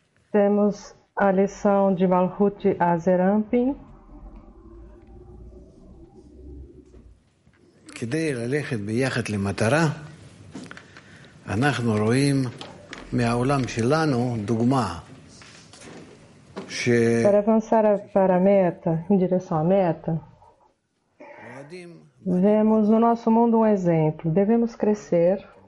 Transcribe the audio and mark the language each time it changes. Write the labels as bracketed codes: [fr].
[pt] Temos a lição de Malchut Azerampin. [he] כדי ללכת ביחד למטרה, אנחנו רואים מהעולם שלנו דוגמה ש... [pt] Para avançar para a meta, em direção à meta, vemos no nosso mundo exemplo. Devemos crescer.